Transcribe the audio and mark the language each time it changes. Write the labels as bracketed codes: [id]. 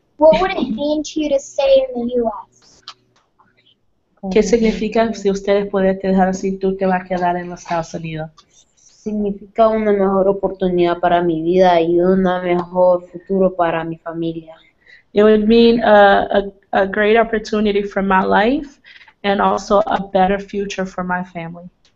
[en] What would it mean to you to stay in the U.S.? [es] ¿Qué significa si ustedes pueden dejar así, tú te vas a quedar en los Estados Unidos? Significa una mejor oportunidad para mi vida y un mejor futuro para mi familia. [en] It would mean a great opportunity for my life and also a better future for my family.